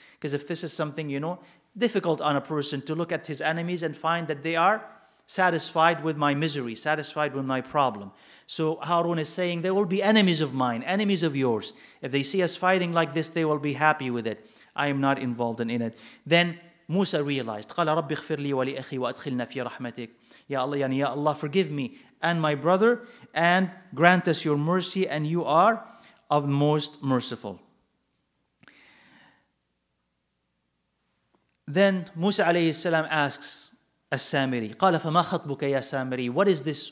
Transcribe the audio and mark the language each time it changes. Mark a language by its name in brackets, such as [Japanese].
[English] Because if this is something, you know, difficult on a person to look at his enemies and find that they are satisfied with my misery, satisfied with my problem. So Harun is saying, there will be enemies of mine, enemies of yours. If they see us fighting like this, they will be happy with it. I am not involved in it. Then Musa realized, [Arabic] قَالَ رَبِّ اغْفِرْ لِي وَلِأَخِي وَأَدْخِلْنَا فِي رَحْمَتِكَ. [English] Ya Allah, yani, Ya Allah, forgive me and my brother, and grant us your mercy, and you are of most merciful. Then Musa alayhi salam asks As-Samiri, [Arabic] قَالَ فَمَا خَطْبُكَ يَا سَامِرِي, [English] what is this?